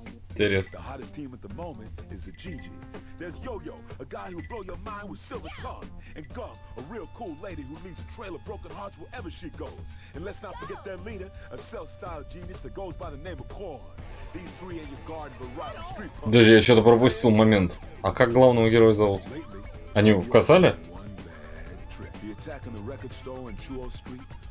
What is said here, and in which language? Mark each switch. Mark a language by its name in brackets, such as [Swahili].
[English] Interesting. The hottest team at the moment is the GGs. There's Yo-Yo, a guy who'll blow your mind with silver tongue. And Gump, a real cool lady who leaves a trail of broken hearts wherever she goes. And let's not forget their leader, a self-styled genius that goes by the name of Korn. These three are your guard variety street punks. [Russian] Подожди, я что-то пропустил момент. А как главного героя зовут? Они указали? [English] The attack on the record store in Chuo Street.